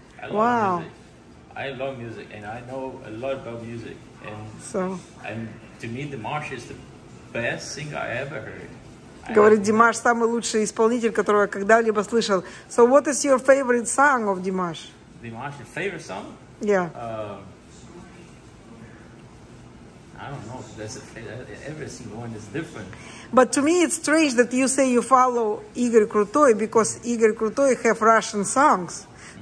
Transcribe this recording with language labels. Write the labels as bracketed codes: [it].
[en] I love music, and I know a lot about music. And to me, Димаш is the best singer I ever heard. [ru] Говорит, Димаш самый лучший исполнитель, которого я когда-либо слышал. [en] So what is your favorite song of Димаш? Димаш, your favorite song? Yeah. I don't know. There's a, every single one is different. But to me, it's strange that you say you follow Игорь Крутой because Игорь Крутой have Russian songs. Mm-hmm.